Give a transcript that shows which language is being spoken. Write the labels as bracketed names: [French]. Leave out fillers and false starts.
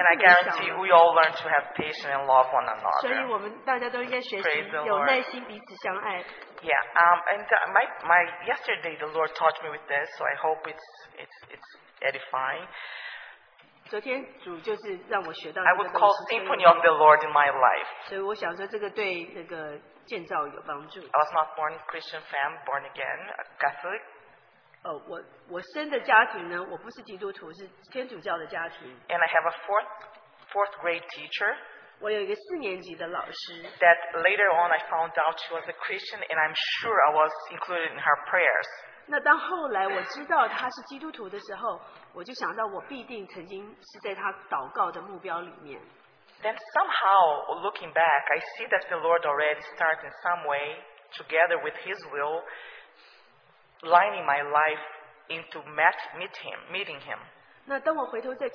[English] And I guarantee we all learn to have patience and love one another. [Chinese] 所以我们大家都应该学习有耐心，彼此相爱。 [English] Yeah, and my yesterday the Lord touched me with this, so I hope it's edifying. I would call symphony of the Lord in my life. I was not born in Christian family, born again, a Catholic. [Chinese] 我生的家庭呢，我不是基督徒，是天主教的家庭。 [English] And I have a fourth grade teacher. [Chinese] 我有一个四年级的老师。 [English] That later on I found out she was a Christian, and I'm sure I was included in her prayers. [Chinese] 那当后来我知道他是基督徒的时候，我就想到我必定曾经是在他祷告的目标里面。 [English] Then somehow, looking back, I see that the Lord already started in some way, together with His will, lining my life into meeting him.